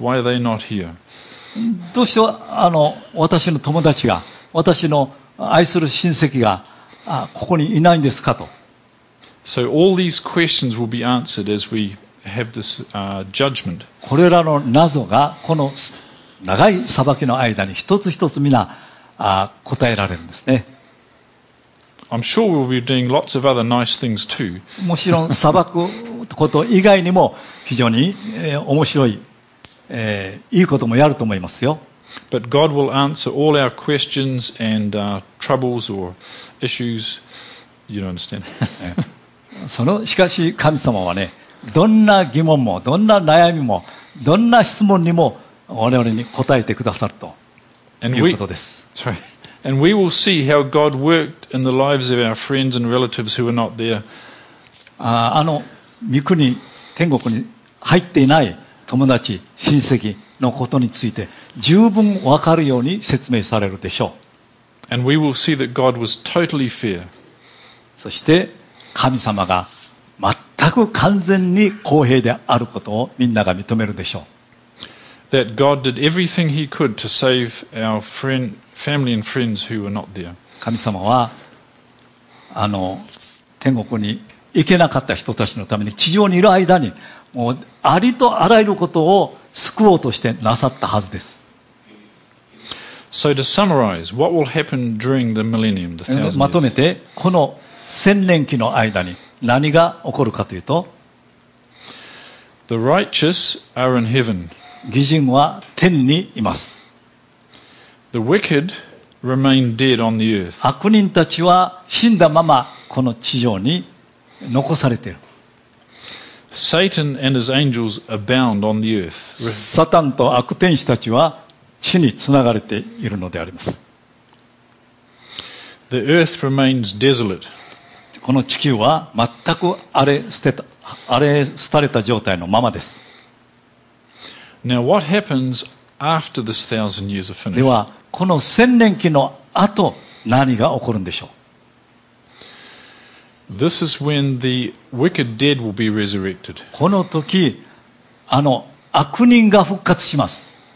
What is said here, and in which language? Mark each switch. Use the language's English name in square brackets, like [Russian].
[English] Why are they not here? [Japanese] どうして私の友達が、私の愛する親戚がここにいないんですかと。 [English] So all these questions will be answered as we have this judgment. [Japanese] これらの謎がこの長い裁きの間に一つ一つ皆答えられるんですね。 [English] I'm sure we'll be doing lots of other nice things too. [Japanese] もちろん裁くこと以外にも非常に面白い、いいこともやると思いますよ。 [English] But God will answer all our questions and troubles or issues. You don't understand. [Japanese] しかし神様はね、どんな疑問も、どんな悩みも、どんな質問にも我々に答えてくださるということです。 [English] And we will see how God worked in the lives of our friends and relatives who are not there. [Japanese] 御国、天国に入っていない友達、親戚のことについて十分分かるように説明されるでしょう。 [English] And we will see that God was totally fair. [Japanese] そして神様が全く完全に公平であることをみんなが認めるでしょう。 [English] That God did everything he could to save our friend, family and friends who were not there. [Japanese] 神様は天国に行けなかった人たちのために地上にいる間にもうありとあらゆることを救おうとしてなさったはずです。 [English] So to summarize, what will happen during the millennium, the thousand years? [Japanese] まとめてこの千年期の間に何が起こるかというと、 [English] The righteous are in heaven. [Japanese] 義人は天にいます。 [English] The wicked remain dead on the earth. [Japanese] 悪人たちは死んだままこの地上に残されている。 [English] Satan and his angels abound on the earth. [Japanese] サタンと悪天使たちは地につながれているのであります。 [English] The earth remains desolate. [Japanese] この地球は全く荒れ廃れた状態のままです。 [English] Now what happens after this thousand years are finished? [Japanese] ではこの千年期の後何が起こるんでしょう。 [English] This is when the wicked dead will be resurrected. [Japanese] この時悪人が復活します。